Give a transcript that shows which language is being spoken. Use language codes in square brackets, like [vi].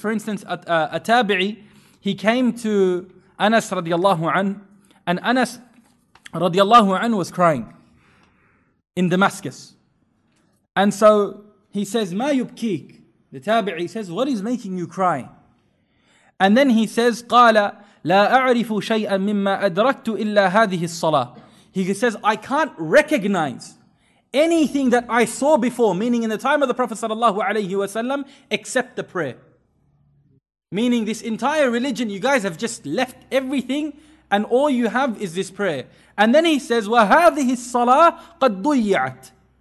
[en] For instance, a tabi'i, he came to Anas radiallahu anhu, and Anas radiallahu anhu was crying in Damascus. And so he says, [ar] ما يبكيك? [en] The tabi'i says, what is making you cry? And then he says, [ar] قال لا أعرف شيئا مما أدركت إلا هذه الصلاة. [en] He says, I can't recognize anything that I saw before, meaning in the time of the Prophet sallallahu alayhi wasallam, except the prayer. Meaning this entire religion, you guys have just left everything and all you have is this prayer. And then he says, [ar] وَهَذِهِ الصَّلَاةِ قَدْ ضُيِّعَتْ.